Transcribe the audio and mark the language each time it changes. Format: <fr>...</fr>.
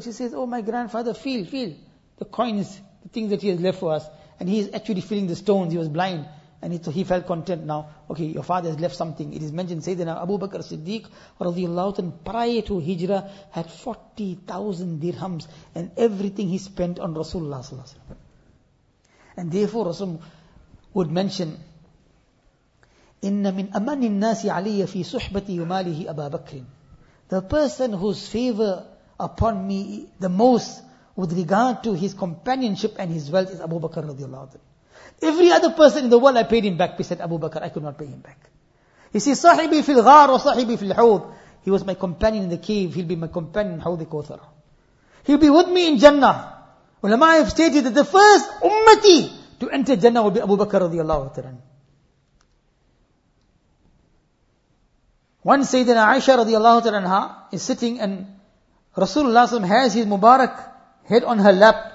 <en>She says, oh, my grandfather, feel the coins, the things that he has left for us. And he is actually feeling the stones. He was blind. And he felt content now. Okay, your father has left something. It is mentioned, Sayyidina Abu Bakr Siddiq radiallahu anhu, prior to Hijrah, had 40,000 dirhams and everything he spent on Rasulullah sallallahu alaihi wasallam. And therefore, Rasulullah would mention,</en> <ar>إِنَّ مِنْ أَمَنِ النَّاسِ عَلَيَّ فِي صُحْبَةِ يُمَالِهِ أَبَا بَكْرٍ.</ar> <en>The person whose favor upon me the most with regard to his companionship and his wealth is Abu Bakr radiallahu anhu. Every other person in the world, I paid him back. He said, Abu Bakr, I could not pay him back. He says,</en> <ar>صَحِبِي فِي الْغَارُ وَصَحِبِي فِي الْحُوضِ.</ar> <en>He was my companion in the cave. He'll be my companion in Hawdi Kothar. He'll be with me in Jannah. Ulama have stated that the first ummati to enter Jannah will be Abu Bakr radiallahu anhu. Once Sayyidina Aisha radiallahu anha is sitting and Rasulullah has his Mubarak head on her lap.</en>